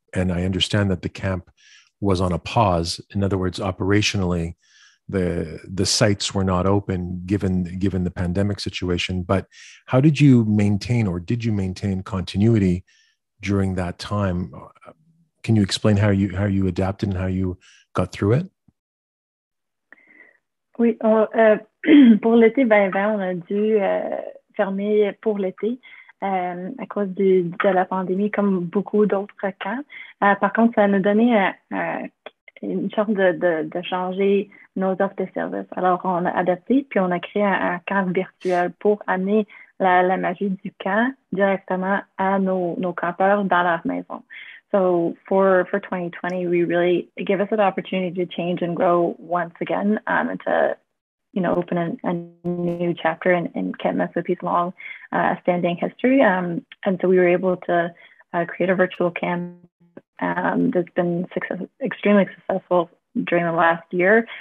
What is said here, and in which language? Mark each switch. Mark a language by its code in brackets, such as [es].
[en] And I understand that the camp was on a pause. In other words, operationally, the sites were not open given the pandemic situation. But how did you maintain, or did you maintain, continuity during that time? Can you explain how you adapted and how you got through it? [fr] Oui, pour l'été 2020, on a dû fermer pour l'été à cause de la pandémie, comme beaucoup d'autres camps. Par contre, ça nous a donné une chance de changer nos offres de services. Alors, on a adapté, puis on a créé un camp virtuel pour amener la magie du camp directement à nos campeurs dans leur maison. [en] So for 2020, we really give us an opportunity to change and grow once again, and to, you know, open a new chapter in Kent Mississippi's long standing history. And so we were able to create a virtual camp that's been extremely successful during the last year.